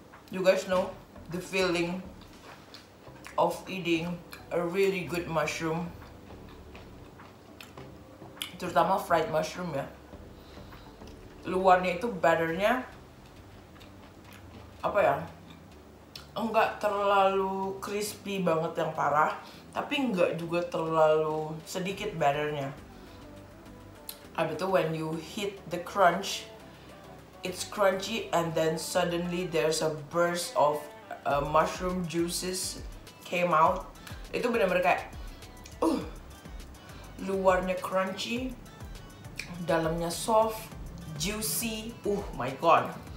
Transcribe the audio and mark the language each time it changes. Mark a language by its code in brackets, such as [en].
[en] You guys know the feeling of eating a really good mushroom, terutama fried mushroom ya. [id] Luarnya itu batternya apa ya? Enggak terlalu crispy banget yang parah, tapi enggak juga terlalu sedikit batternya. [en] Habis itu when you hit the crunch, it's crunchy and then suddenly there's a burst of mushroom juices came out. [id] Itu benar-benar kayak luarnya crunchy, dalamnya soft, juicy. [en] Oh my god.